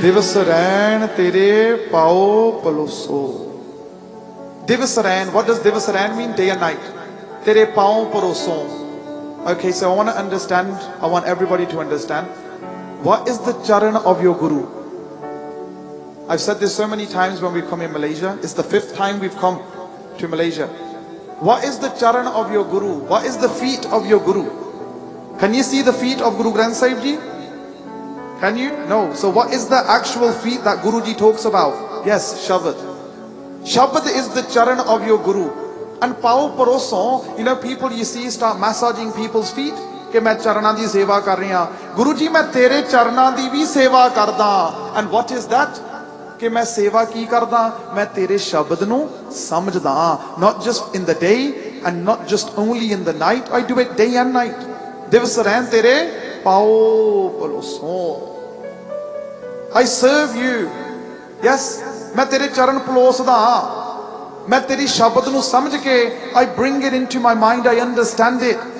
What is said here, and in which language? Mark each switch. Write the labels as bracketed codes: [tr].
[pa] ਦਿਵਸ ਰੈਨ ਤੇਰੇ ਪਾਓ ਪਲੋਸੋ. [en] ਦਿਵਸ ਰੈਨ, what does ਦਿਵਸ ਰੈਨ ਮੀਨ? Day and night. ਤੇਰੇ ਪਾਓ ਪਰੋਸੋ. Okay, so I want to understand, I want everybody to understand, what is the charan of your guru? I've said this so many times when we come in Malaysia. It's the fifth time we've come to Malaysia. What is the charan of your guru? What is the feet of your guru? Can you see the feet of Guru Granth Sahib Ji? Can you? No. So what is the actual feet that Guru Ji talks about? Yes, Shabad. Shabad is the charan of your guru. And pao paroso, you know, people you see start massaging people's feet. [pa] ਕਿ ਮੈਂ ਚਰਨਾਂ ਦੀ ਸੇਵਾ ਕਰ ਰਿਹਾ ਗੁਰੂ ਜੀ, ਮੈਂ ਤੇਰੇ ਚਰਨਾਂ ਦੀ ਵੀ ਸੇਵਾ ਕਰਦਾ. [en] And what is that? [pa] ਕਿ ਮੈਂ ਸੇਵਾ ਕੀ ਕਰਦਾ? ਮੈਂ ਤੇਰੇ ਸ਼ਬਦ ਨੂੰ ਸਮਝਦਾ, [en] Not just in the day and not just only in the night, I do it day and night. [pa] ਦਿਵਸ ਰਹਿਣ ਤੇਰੇ ਪਾਓ ਪਲੋਸੋ. [en] I serve you, [pa] ਯੈਸ, ਮੈਂ ਤੇਰੇ ਚਰਨ ਪਲੋਸਦਾ, ਮੈਂ ਤੇਰੀ ਸ਼ਬਦ ਨੂੰ ਸਮਝ ਕੇ, [en] I bring it into my mind, I understand it.